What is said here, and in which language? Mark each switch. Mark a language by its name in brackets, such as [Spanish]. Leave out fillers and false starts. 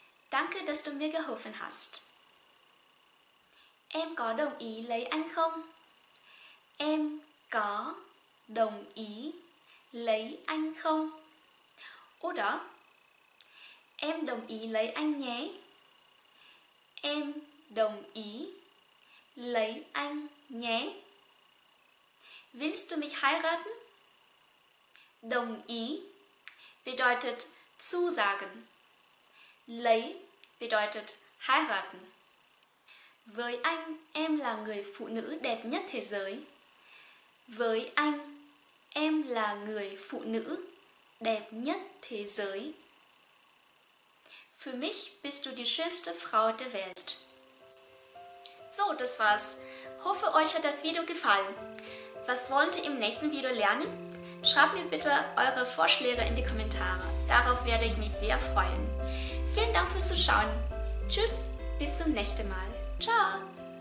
[German] Danke, dass du mir geholfen hast. [Vietnamese] Em có đồng ý lấy anh không? Em có đồng ý lấy anh không? Oder em đồng ý lấy anh nhé. Em đồng ý lấy anh nhé. [German] Willst du mich heiraten? [Vietnamese] Đồng ý [German] bedeutet zusagen. [Vietnamese] Lấy [German] bedeutet heiraten. [Vietnamese] Với anh, em là người phụ nữ đẹp nhất thế giới. Với anh, em là người phụ nữ đẹp nhất thế giới. [German] Für mich bist du die schönste Frau der Welt. So, das war's. Hoffe, euch hat das Video gefallen. Was wollt ihr im nächsten Video lernen? Schreibt mir bitte eure Vorschläge in die Kommentare. Darauf werde ich mich sehr freuen. Vielen Dank fürs Zuschauen. Tschüss, bis zum nächsten Mal. Ciao!